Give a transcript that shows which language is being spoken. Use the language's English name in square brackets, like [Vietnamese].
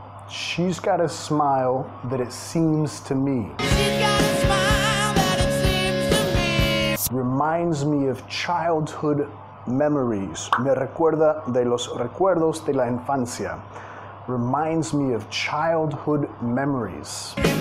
[English] She's got a smile that it seems to me. She's got a smile that it seems to me. Reminds me of childhood memories. [Spanish] Me recuerda de los recuerdos de la infancia. [English] Reminds me of childhood memories.